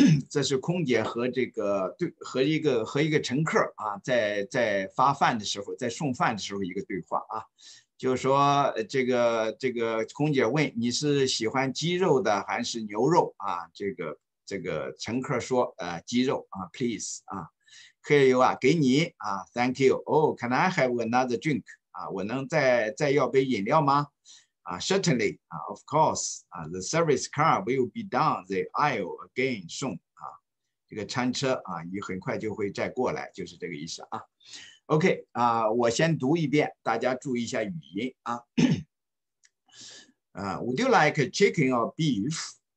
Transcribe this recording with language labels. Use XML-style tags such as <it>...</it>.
<zh>这是空姐和这个对和一个乘客啊，在发饭的时候，在送饭的时候一个对话啊，就是说这个空姐问你是喜欢鸡肉的还是牛肉啊，这个乘客说鸡肉啊 ，please 啊 ，</zh> <en>Here you are</en> <zh>给你啊 ，</zh> <en>Thank you，</en> <zh>哦、oh, ，</zh> <en>Can I have another drink？</en> <zh>啊，我能再要杯饮料吗？</zh> <en>啊 ，certainly， 啊 ，of course， 啊 ，the service car will be down the aisle again soon， 啊，</en> <zh>这个餐车啊，你很快就会再过来，就是这个意思啊。 OK， 啊，我先读一遍，大家注意一下语音啊。</zh> <en>Would you like chicken or beef？</en>